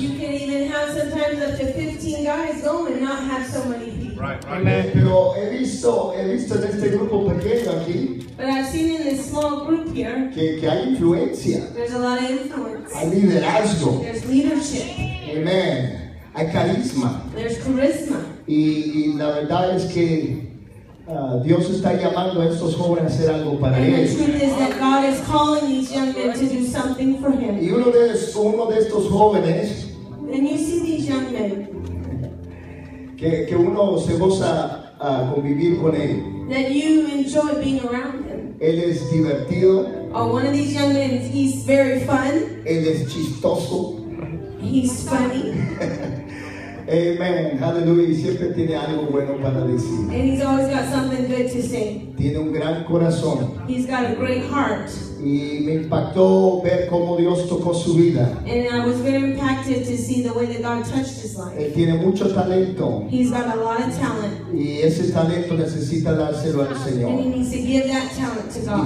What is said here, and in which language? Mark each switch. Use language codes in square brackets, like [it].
[en] You can even have sometimes up to 15 guys go and not have so many people. Right. [es] Pero he visto en este grupo pequeño aquí. [en] But I've seen in this small group here. [es] Que hay influencia. [en] There's a lot of influence. [es] Hay liderazgo. [en] There's leadership. [es] Amen. Hay carisma. [en] There's charisma. [es] Y la verdad es que Dios está llamando a estos jóvenes a hacer algo para él. [en] And the truth is that God is calling these young men to do something for him. [es] Y uno de estos jóvenes. [en] And you see these young men. [es] Que uno se goza a convivir con él. [en] That you enjoy being around him. [es] Él es divertido. [en] Oh, one of these young men, he's very fun. [es] Él es chistoso. [en] He's funny. [es] Amen. Hallelujah. Siempre tiene algo bueno para decir. [en] And he's always got something good to say. [es] Tiene un gran corazón. [en] He's got a great heart. [es] Y me impactó ver cómo Dios tocó su vida. [en] And I was very impacted to see the way that God touched his life. [es] Él tiene mucho talento. [en] He's got a lot of talent. [es] Y ese talento necesita dárselo al Señor. [en] And he needs to give that talent to God.